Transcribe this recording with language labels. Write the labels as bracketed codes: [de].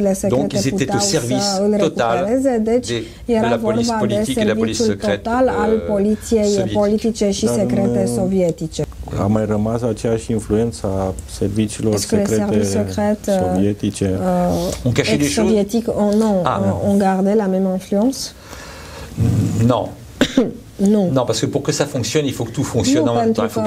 [fr] Donc ils étaient au service total de la police politique et la police secrète sovietice. [ro] A mai rămas aceeași influență a serviciilor secrete sovietice. [fr] On cachait des choses. On gardait la même influence. Non. Non. Non, parce que pour que ça fonctionne, il faut que tout fonctionne en même temps.